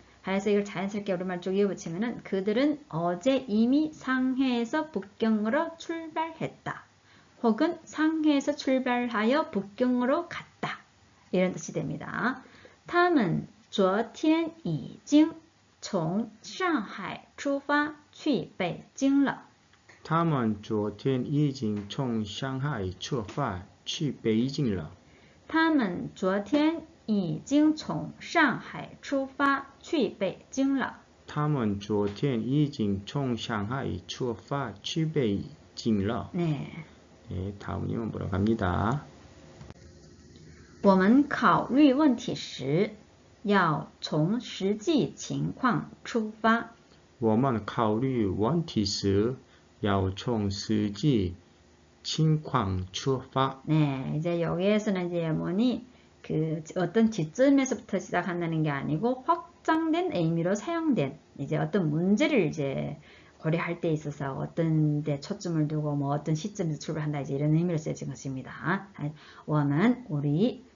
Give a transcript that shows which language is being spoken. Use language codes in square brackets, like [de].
[ko] 그래서 이걸 자연스럽게 우리말 쪽 이어붙이면은 그들은 어제 이미 상해에서 북경으로 출발했다. 혹은 상해에서 출발하여 북경으로 갔다. 이런 뜻이 됩니다. [zh] 他们 昨天已经从上海出发去北京了. 他们昨天已经从上海出发去北京了。他们昨天已经从上海出发去北京了。他们昨天已经从上海出发去北京了。 [ko] 네，다음문으로갑니다。 [zh] 我们考虑问题时，要从实际情况出发。我们考虑问题时，要从实际情况出发。 [ko] 이제 여기에서는 이제 뭐니? 그 어떤 지점에서부터 시작한다는 게 아니고 확장된 의미로 사용된 이제 어떤 문제를 이제 고려할 때 있어서 어떤 데 초점을 두고 뭐 어떤 시점에서 출발한다 이제 이런 의미로 쓰여진 것입니다. 우리